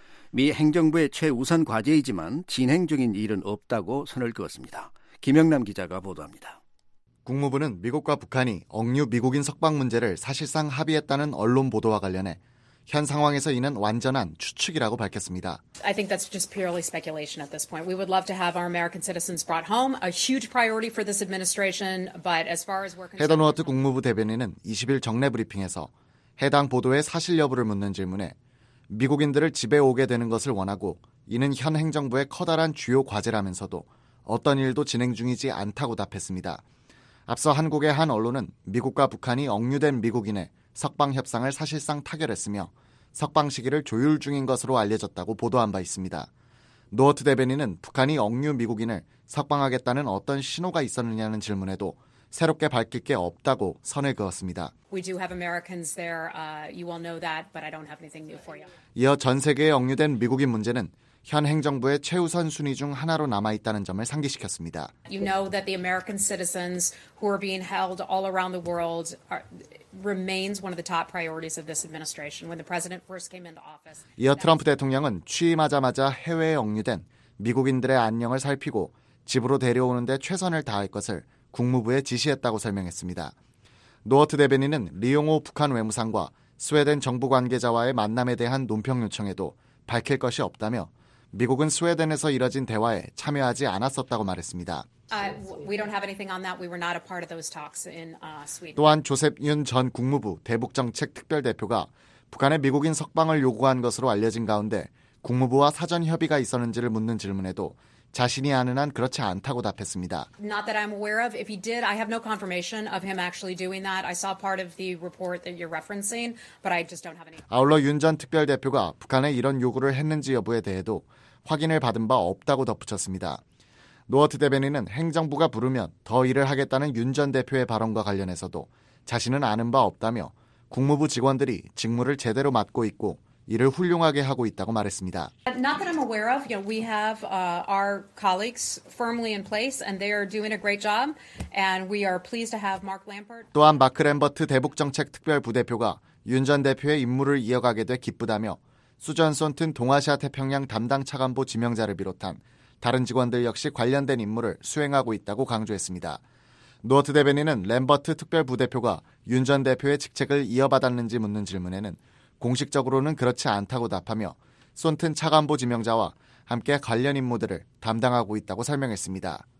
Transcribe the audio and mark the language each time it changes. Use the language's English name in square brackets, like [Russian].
[Korean] 미 행정부의 최우선 과제이지만 진행 중인 일은 없다고 선을 그었습니다. 김영남 기자가 보도합니다. 국무부는 미국과 북한이 억류 미국인 석방 문제를 사실상 합의했다는 언론 보도와 관련해 현 상황에서 이는 완전한 추측이라고 밝혔습니다. [English] I think that's just purely speculation at this point. We would love to have our American citizens brought home, a huge priority for this administration, but as far as we're concerned. [Korean] 헤더 노어트 국무부 대변인은 20일 정례 브리핑에서 해당 보도의 사실 여부를 묻는 질문에 미국인들을 집에 오게 되는 것을 원하고 이는 현 행정부의 커다란 주요 과제라면서도 어떤 일도 진행 중이지 않다고 답했습니다. 앞서 한국의 한 언론은 미국과 북한이 억류된 미국인의 석방 협상을 사실상 타결했으며 석방 시기를 조율 중인 것으로 알려졌다고 보도한 바 있습니다. 노어트 대변인은 북한이 억류 미국인을 석방하겠다는 어떤 신호가 있었느냐는 질문에도 새롭게 밝힐 게 없다고 선을 그었습니다. [English] We do have Americans there. You will know that, but I don't have anything new for you. [Korean] 이어 전 세계에 억류된 미국인 문제는 현 행정부의 최우선 순위 중 하나로 남아 있다는 점을 상기시켰습니다. [English] You know that the American citizens who are being held all around the world remains one of the top priorities of this administration. When the president first came into office, [Korean] 이어 트럼프 대통령은 취임하자마자 해외에 억류된 미국인들의 안녕을 살피고 집으로 데려오는 데 최선을 다할 것을 국무부에 지시했다고 설명했습니다. 노어트 대변인은 리용호 북한 외무상과 스웨덴 정부 관계자와의 만남에 대한 논평 요청에도 밝힐 것이 없다며 미국은 스웨덴에서 이뤄진 대화에 참여하지 않았었다고 말했습니다. 또한 조셉 윤 전 국무부 대북정책특별대표가 북한의 미국인 석방을 요구한 것으로 알려진 가운데 국무부와 사전 협의가 있었는지를 묻는 질문에도 자신이 아는 한 그렇지 않다고 답했습니다. [English] Not that I'm aware of. If he did, I have no confirmation of him actually doing that. I saw part of the report that you're referencing, but I just don't have any. [Korean] 아울러 윤 전 특별대표가 북한에 이런 요구를 했는지 여부에 대해도 확인을 받은 바 없다고 덧붙였습니다. 노어트 대변인은 행정부가 부르면 더 일을 하겠다는 윤 전 대표의 발언과 관련해서도 자신은 아는 바 없다며 국무부 직원들이 직무를 제대로 맡고 있고 이를 훌륭하게 하고 있다고 말했습니다. [English] Not that I'm aware of. You know, we have our colleagues firmly in place, and they are doing a great job. And we are pleased to have Mark Lambert. [Korean] 또한 마크 램버트 대북정책특별부대표가 윤 전 대표의 임무를 이어가게 돼 기쁘다며 수전 손튼 동아시아 태평양 담당 차관보 지명자를 비롯한 다른 직원들 역시 관련된 임무를 수행하고 있다고 강조했습니다. 노어트 대변인은 램버트 특별부대표가 윤 전 대표의 직책을 이어받았는지 묻는 질문에는 공식적으로는 그렇지 않다고 답하며 손튼 차관보 지명자와 함께 관련 임무들을 담당하고 있다고 설명했습니다.